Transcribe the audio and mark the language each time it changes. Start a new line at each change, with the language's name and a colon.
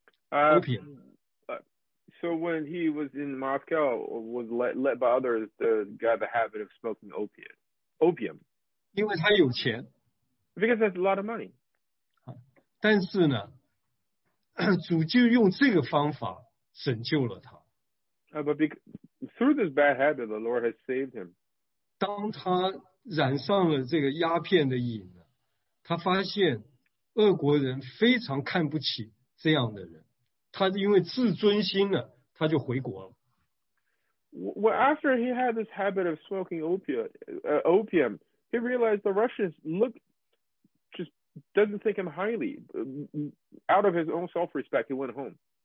Chinese: 他在莫斯科呢，结果他被别人呢这个带着，他就染上了抽大烟的习惯，毒品。
English: So when he was in Moscow, was led by others, got the habit of smoking opium.
Chinese: 因为他有钱。
English: Because there's a lot of money.
Chinese: 但是呢，主就用这个方法拯救了他。
English: But because through this bad habit, the Lord has saved him.
Chinese: 当他染上了这个鸦片的瘾，他发现俄国人非常看不起这样的人。他因为自尊心了，他就回国了。
English: Well, after he had this habit of smoking opium, he realized the Russians doesn't think him highly. Out of his own self-respect, he went home.